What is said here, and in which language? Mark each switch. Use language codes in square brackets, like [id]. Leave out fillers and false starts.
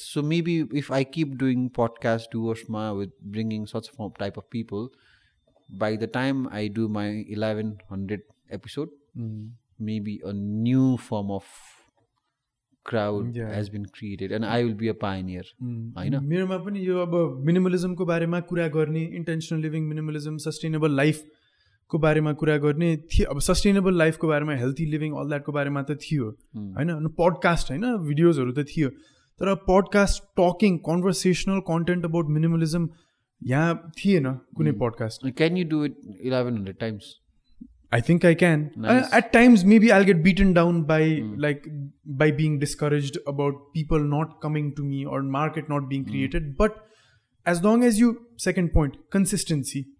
[en] So maybe if I keep doing podcast doersma with bringing such type of people, by the time I do my 1100 episode, maybe a new form of crowd has been created and I will be a pioneer. [ne] मेरोमा पनि यो अब मिनिमलिजमको बारेमा कुरा गर्ने, intentional living, minimalism, sustainable लाइफको बारेमा कुरा गर्ने थियो. अब सस्टेनेबल लाइफको बारेमा, हेल्थी लिभिङ, अल द्याटको बारेमा त थियो होइन, अनि पडकास्ट होइन, भिडियोजहरू त थियो. तर podcast talking conversational content about minimalism यहाँ थिएन कुनै podcast. [en] Can you do it 1100 times? I think I can. Nice. At times, maybe I'll get beaten down by like by being discouraged about people not coming to me or market not being created. But as long as you, second point, consistency.